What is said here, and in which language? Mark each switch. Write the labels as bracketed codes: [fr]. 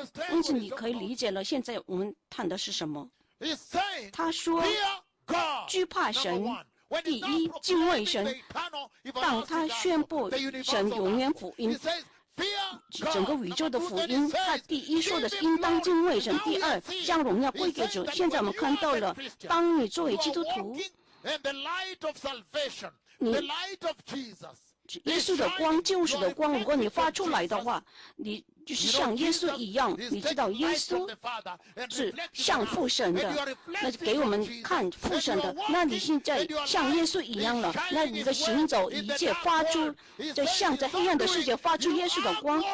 [zh] 因此你可以理解了现在我们谈的是什么。他说惧怕神，第一敬畏神，当他宣布神永远福音，整个宇宙的福音，他第一说的是应当敬畏神，第二将荣耀归给主。现在我们看到了，当你作为基督徒， [en] And the light of salvation, the light of Jesus. [zh] 耶稣的光，救赎的光，如果你发出来的话，你就是像耶稣一样。你知道耶稣是像父神的，那就给我们看父神的。那你现在像耶稣一样了，那你的行走一切发出，就像在黑暗的世界发出耶稣的光。